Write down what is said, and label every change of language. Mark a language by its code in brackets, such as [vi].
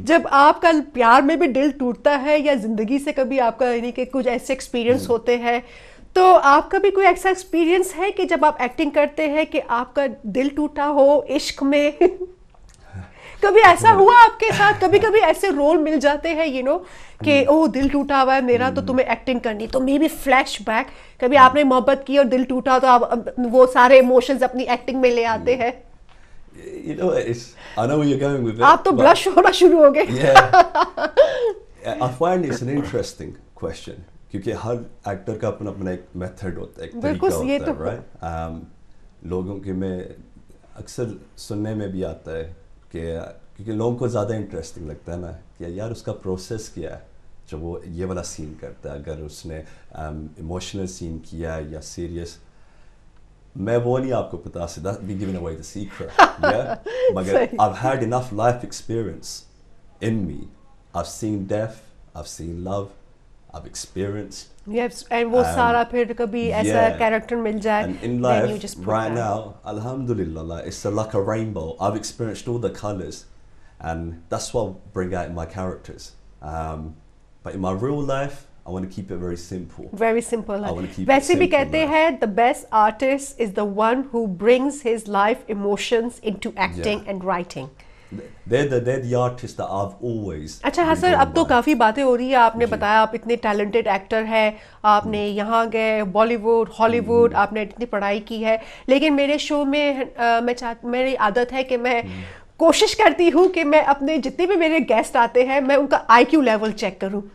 [hi] जब आपका प्यार में भी दिल टूटता है या जिंदगी से कभी आपका यानी कि कुछ ऐसे एक्सपीरियंस होते हैं, तो आपका भी कोई ऐसा एक्सपीरियंस है कि जब आप एक्टिंग करते हैं कि आपका दिल टूटा हो इश्क में? कभी ऐसा हुआ आपके साथ? कभी कभी ऐसे रोल मिल जाते हैं यू नो कि ओ दिल टूटा हुआ है मेरा तो तुम्हें एक्टिंग करनी, तो मे बी फ्लैश बैक, कभी आपने मोहब्बत की और दिल टूटा तो आप वो सारे इमोशंस अपनी एक्टिंग में ले आते हैं? [en] You know, it's, I know where you're going with it, [hi] आप तो ब्लश होना शुरू हो गए। [en] I find it's an interesting question [hi] क्योंकि हर एक्टर का अपना अपना एक मेथड होता है, तरीका होता है, [en] right? [hi] लोगों के में अक्सर सुनने में भी आता है कि क्योंकि लोगों को ज़्यादा इंटरेस्टिंग लगता है ना कि यार उसका प्रोसेस क्या है जब वो ये वाला सीन करता है, अगर उसने इमोशनल सीन किया या सीरियस। मैं वो नहीं आपको बता सकता, [en] that be giving away the secret, मगर I have had enough life experience in me, I have seen death, I have seen love, I have experienced, [hi] and वो सारा फिर कभी ऐसा कैरेक्टर मिल जाए, [en] And in life right now अल्हम्दुलिल्लाह it's like a rainbow, I have experienced all the colours and that's what I bring out in my characters, but in my real life I want to keep it very simple. [hi] वैसे भी कहते हैं [en] The best artist is the one who brings his life emotions into acting and writing. They're the artists that I've always. [hi] अच्छा हाँ sir, अब तो काफ़ी बातें हो रही है. आपने बताया आप इतने टैलेंटेड एक्टर हैं, आपने यहाँ गए बॉलीवुड हॉलीवुड, आपने इतनी पढ़ाई की है, लेकिन मेरे शो में मेरी आदत है कि मैं कोशिश करती हूँ कि मैं अपने जितने भी मेरे गेस्ट आते हैं मैं उनका IQ लेवल चेक करूँ.